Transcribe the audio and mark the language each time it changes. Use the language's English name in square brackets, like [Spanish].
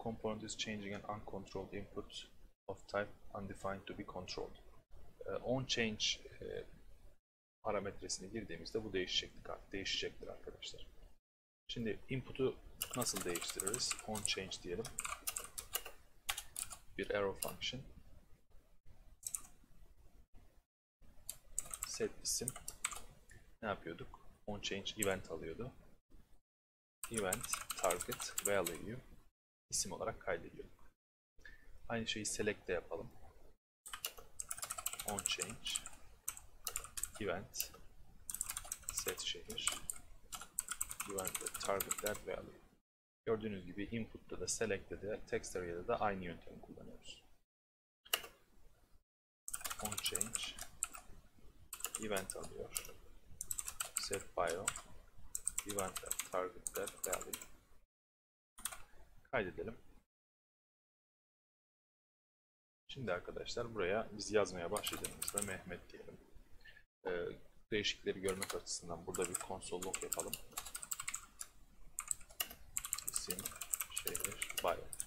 [English] Component is changing an uncontrolled input of type undefined to be controlled. [Turkish] On change parametresini girdiğimizde bu değişecektir arkadaşlar. Şimdi input'u nasıl değiştiririz? On change diyelim. Bir arrow function. Set isim. Ne yapıyorduk? On change event alıyordu. Event target value isim olarak kaydediyorduk. Aynı şeyi select'te yapalım. On change event set şehir event target that value. Gördüğünüz gibi input'ta da select'te de text area'da da aynı yöntemi kullanıyoruz. On change event alıyor. Set bio event target that value. Kaydedelim. Şimdi arkadaşlar buraya biz yazmaya başladığımızda Mehmet diyelim. Değişikleri görmek açısından burada bir console log yapalım. İsim, şehir, bio.